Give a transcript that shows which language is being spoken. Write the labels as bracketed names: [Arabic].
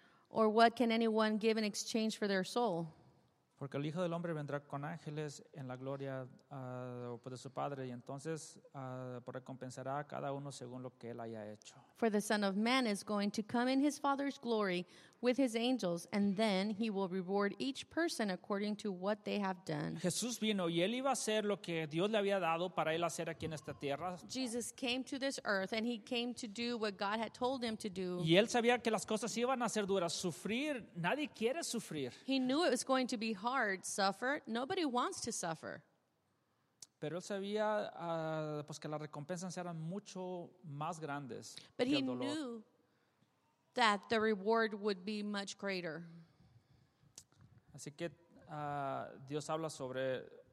[English] Or what can anyone give in exchange for their soul? [Spanish] Porque el Hijo del Hombre vendrá con ángeles en la gloria de su Padre y entonces recompensará a cada uno según lo que él haya hecho. [English] For the Son of Man is going to come in his Father's glory with his angels and then he will reward each person according to what they have done. [Spanish] Jesús vino y él iba a hacer lo que Dios le había dado para él hacer aquí en esta tierra. [English] Jesus came to this earth and he came to do what God had told him to do. [Spanish] Y él sabía que las cosas iban a ser duras. Sufrir, nadie quiere sufrir. [English] He knew it was going to be hard, suffer. Nobody wants to suffer. [Spanish] Pero él sabía que las recompensas eran mucho más grandes. [English] But he knew that the reward would be much greater. [Spanish] Así que Dios habla sobre